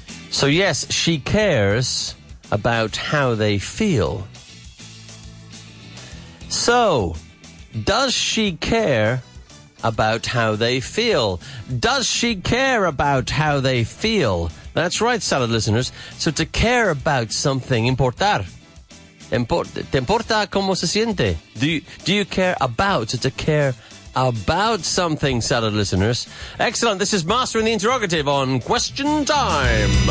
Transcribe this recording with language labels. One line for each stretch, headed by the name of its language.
English: So yes, she cares about how they feel. So, does she care about how they feel? Does she care about how they feel? That's right, salad listeners. So to care about something, importar.
Spanish: ¿Te importa cómo se siente?
English: Do you care about? So to care about something, salad listeners. Excellent. This is Mastering the Interrogative on Question Time.